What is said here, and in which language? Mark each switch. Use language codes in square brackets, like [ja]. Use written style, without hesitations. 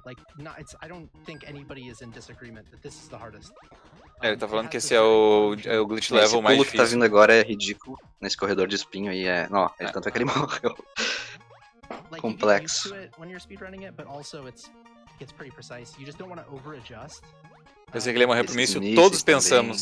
[en] Like, not, it's, I don't think anybody is in disagreement that this is the hardest. [pt] É, ele tá falando que esse é o glitch level mais difícil. Esse pulo que tá vindo agora é ridículo. Nesse corredor de espinho aí é... Não, é tanto que ele morreu. [en] Like, [pt] complexo. [en] You get used to it when you're speedrunning it, but also it's pretty precise. You just don't want to over-adjust. [pt] Pensei que ele ia morrer pro início, todos pensamos.